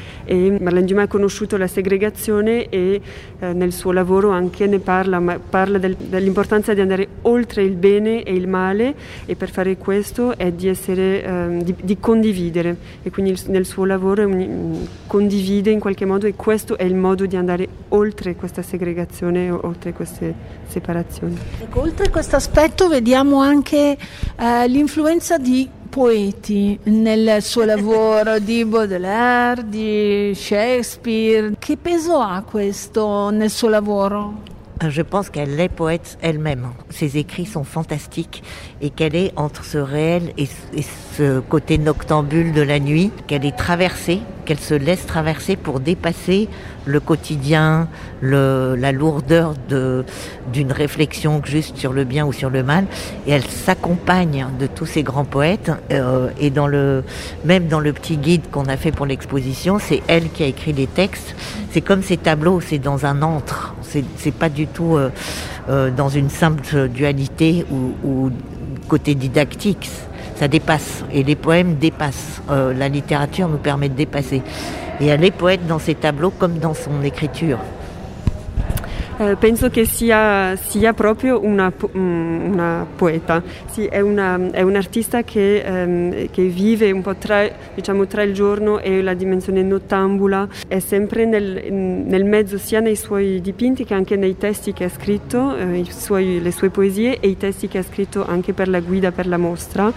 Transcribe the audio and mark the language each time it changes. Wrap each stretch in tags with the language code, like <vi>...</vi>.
<it>E Marlène Dumas ha conosciuto la segregazione e nel suo lavoro anche ne parla, ma parla dell'importanza di andare oltre il bene e il male, e per fare questo è di essere di condividere, e quindi nel suo lavoro condivide in qualche modo, e questo è il modo di andare oltre questa segregazione, oltre queste separazioni. Ecco, oltre questo aspetto vediamo anche l'influenza di poeti nel suo lavoro, di Baudelaire, di Shakespeare. Che peso ha questo nel suo lavoro?</it> <fr>Je pense qu'elle est poète elle-même. Ses écrits sont fantastiques, et qu'elle est entre ce réel et ce côté noctambule de la nuit, qu'elle est traversée, qu'elle se laisse traverser pour dépasser le quotidien, la lourdeur d'une réflexion juste sur le bien ou sur le mal. Et elle s'accompagne de tous ces grands poètes. Et dans le petit guide qu'on a fait pour l'exposition, c'est elle qui a écrit les textes. C'est comme ces tableaux, c'est dans un antre. C'est pas du tout dans une simple dualité ou côté didactique. Ça dépasse, et les poèmes dépassent. La littérature nous permet de dépasser. Et elle est poète dans ses tableaux comme dans son écriture.</fr> <it>Penso che sia proprio una poeta. Sì, è un artista che vive un po' tra il giorno e la dimensione nottambula. È sempre nel mezzo, sia nei suoi dipinti che anche nei testi che ha scritto, le sue poesie e i testi che ha scritto anche per la guida, per la mostra.</it>